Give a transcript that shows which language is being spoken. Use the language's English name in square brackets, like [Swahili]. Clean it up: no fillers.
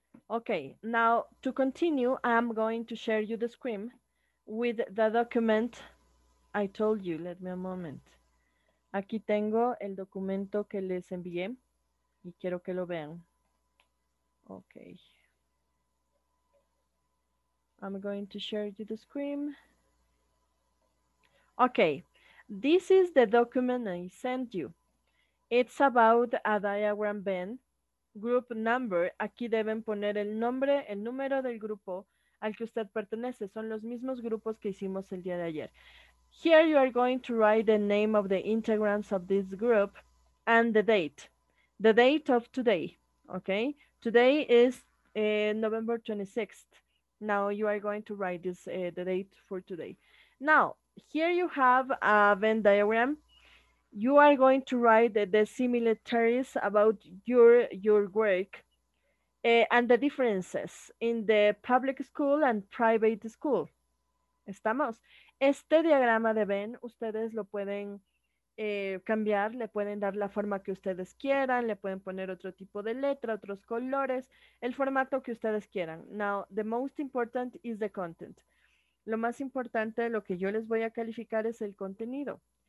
[English] Okay, now to continue, I'm going to share you the screen with the document I told you. Let me a moment. [Spanish] Aquí tengo el documento que les envié y quiero que lo vean. [English] Okay. I'm going to share you the screen. Okay, this is the document I sent you. It's about a diagram Venn group number. [Spanish] Aquí deben poner el nombre, el número del grupo al que usted pertenece. Son los mismos grupos que hicimos el día de ayer. [English] Here you are going to write the name of the integrants of this group and the date of today. Okay, today is November 26th. Now you are going to write this the date for today. Now, here you have a Venn diagram. You are going to write the similarities about your work and the differences in the public school and private school. [Spanish] ¿Estamos? Este diagrama de Venn, ustedes lo pueden cambiar, le pueden dar la forma que ustedes quieran, le pueden poner otro tipo de letra, otros colores, el formato que ustedes quieran. [English] Now, the most important is the content. [Spanish] Lo más importante, lo que yo les voy a calificar es el contenido.